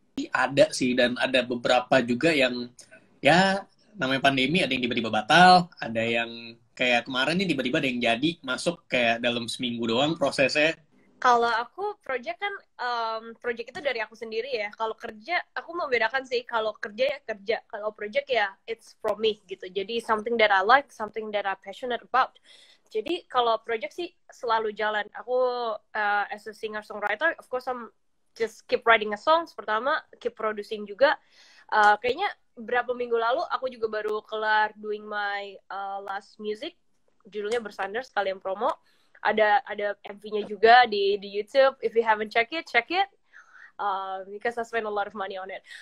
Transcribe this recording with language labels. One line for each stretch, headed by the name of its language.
Indonesian: Ada sih, dan ada beberapa juga yang ya namanya pandemi, ada yang tiba-tiba batal, ada yang kayak kemarin nih tiba-tiba ada yang jadi masuk kayak dalam seminggu doang prosesnya. Kalau aku project kan project itu dari aku sendiri ya. Kalau kerja aku mau bedakan sih, kalau kerja ya kerja, kalau project ya
English: it's from me
Indonesian: gitu.
English: Jadi something that I like, something that I passionate about.
Indonesian: Jadi kalau project sih selalu jalan. Aku
English: as a singer songwriter, of course I'm just keep writing a songs pertama, keep producing juga.
Indonesian: Kayaknya berapa minggu lalu aku juga baru kelar
English: doing my last music,
Indonesian: judulnya Bersandar, sekalian promo. Ada MV-nya juga di YouTube.
English: If you haven't check it, because I spend a lot of money on it.